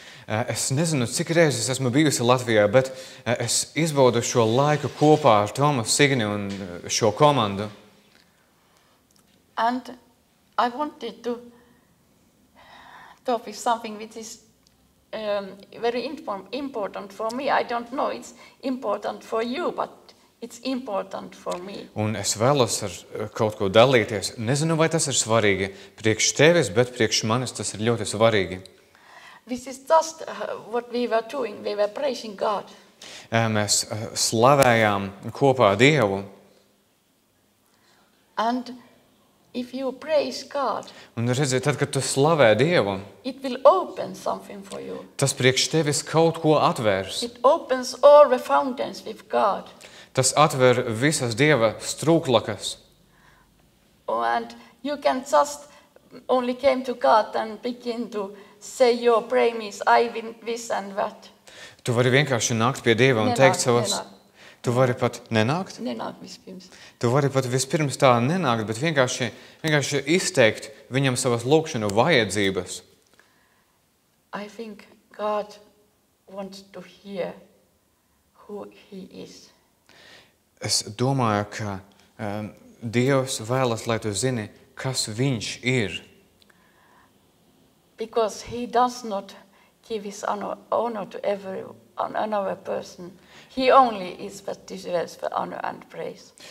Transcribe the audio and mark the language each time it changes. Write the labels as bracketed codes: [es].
[lv] Es nezinu, cik reizes esmu bijusi Latvijā, bet es izbaudu šo laiku kopā ar Tomu, Signe un šo komandu. [en] And I wanted to talk with something which is very important for me. I don't know it's important for you, but it's important for me. [lv] Un es vēlos ar kaut ko dalīties. Nezinu, vai tas ir svarīgi priekš tevis, bet priekš manis tas ir ļoti svarīgi. [en] This is just what we were doing. We were praising God. [lv] Mēs slavējām kopā Dievu. [en] And If you praise God. [lv] Un redzi, tad kad tu slavē Dievu. [en] It will open something for you. [lv] Tas priekš tevis kaut ko atvērs. [en] It opens all the fountains with God. [lv] Tas atver visas Dieva strūklakas. [en] And you can just only came to God and begin to say your prayers, I win this and that. [lv] Tu vari vienkārši nākt pie Dieva un teikt savas. Tu vari pat nenākt? Nenākt vispirms. Tu vari pat vispirms tā nenākt, bet vienkārši izteikt viņam savas lūkšanu vajadzības. [en] I think God wants to hear who he is. [lv] Es domāju, ka Dievs vēlas, lai tu zini, kas viņš ir. [en] Because he does not give his honor to another person. He only is that deserves the honor and praise.